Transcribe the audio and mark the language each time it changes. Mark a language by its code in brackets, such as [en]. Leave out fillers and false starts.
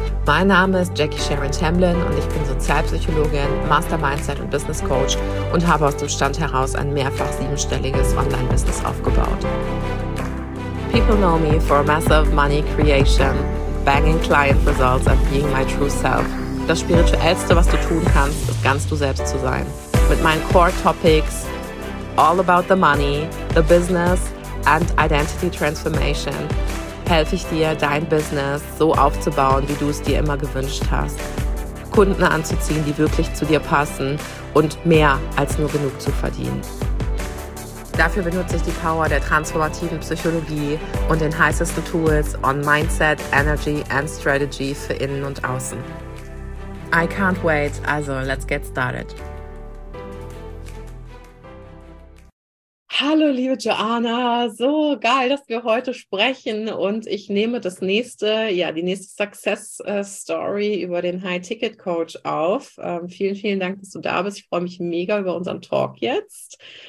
[de] Mein Name ist Jackie Sharon Tamblyn und ich bin Sozialpsychologin, Master Mindset und Business Coach und habe aus dem Stand heraus ein mehrfach siebenstelliges Online-Business aufgebaut. [en] People know me for massive money creation, banging client results and being my true self. [de] Das Spirituellste, was du tun kannst, ist ganz du selbst zu sein. Mit meinen Core Topics, [en] all about the money, the business and identity transformation, [de] helfe ich dir, dein Business so aufzubauen, wie du es dir immer gewünscht hast. Kunden anzuziehen, die wirklich zu dir passen und mehr als nur genug zu verdienen. Dafür benutze ich die Power der transformativen Psychologie und den heißesten Tools [en] on Mindset, Energy and Strategy [de] für Innen und Außen. [en] I can't wait, also let's get started. [de] Hallo liebe Joanna, so geil, dass wir heute sprechen und ich nehme die nächste Success-Story über den High-Ticket-Coach auf. Vielen, vielen Dank, dass du da bist. Ich freue mich mega über unseren Talk jetzt.